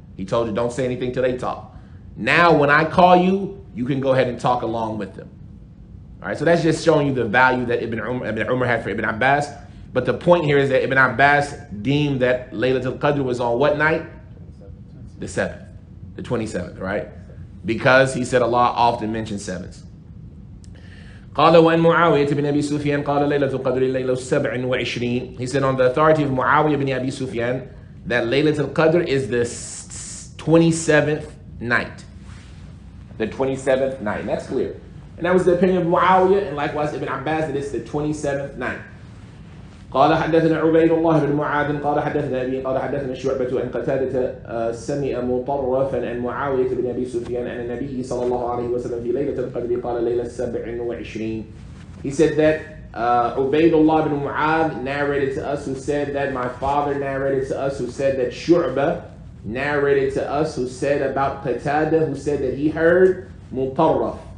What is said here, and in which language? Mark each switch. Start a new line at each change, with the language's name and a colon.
English: He told you, don't say anything till they talk. Now, when I call you, you can go ahead and talk along with them. All right, so that's just showing you the value that Ibn Umar had for Ibn Abbas. But the point here is that Ibn Abbas deemed that Laylatul Qadr was on what night? The 7th, the 27th, right? Because he said Allah often mentions sevens.
Arabic: قال وأن معاوية بن أبي سفيان قال ليلة القدر ليلة السبع وعشرين.
English: He said on the authority of Muawiyah ibn Abi Sufyan that ليلة القدر is the 27th night. The 27th night. That's clear. And that was the opinion of Muawiyah and likewise Ibn Abbas that it's the 27th night.
Arabic: قال حدثنا عبيد الله بن معاذ قال حدثنا أبي قال حدثنا شعبة عن قتادة سمع مطرفا عن معاوية بن أبي سفيان عن النبي صلى الله عليه وسلم في ليلة القدر قال ليلة السبع وعشرين.
English: He said that عبيد الله بن معاذ narrated to us who said that my father narrated to us who said that شعبة narrated to us who said about قتادة who said that he heard مطرف.